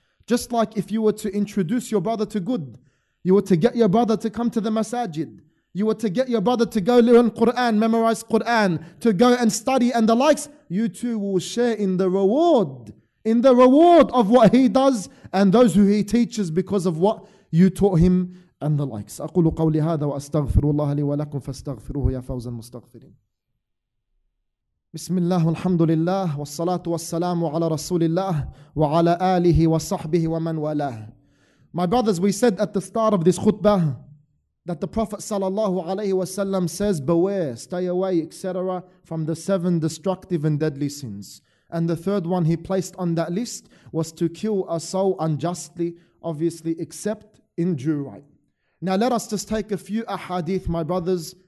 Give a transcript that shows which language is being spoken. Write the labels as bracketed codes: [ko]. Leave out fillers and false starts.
[en] Just like if you were to introduce your brother to good, you were to get your brother to come to the masajid, you were to get your brother to go learn Quran, memorize Quran, to go and study and the likes, you too will share in the reward of what he does and those who he teaches because of what you taught him and the likes. [ar] أقول قولي هذا وأستغفر الله لي ولكم فاستغفروه يا فوز المستغفرين. بسم الله والحمد لله والصلاة والسلام على رسول الله وعلى آله وصحبه ومن والاه. [en] My brothers, we said at the start of this khutbah that the Prophet sallallahu alaihi wasallam says, beware, stay away, etc., from the 7 destructive and deadly sins. And the third one he placed on that list was to kill a soul unjustly, obviously, except in due right. Now let us just take a few ahadith, my brothers,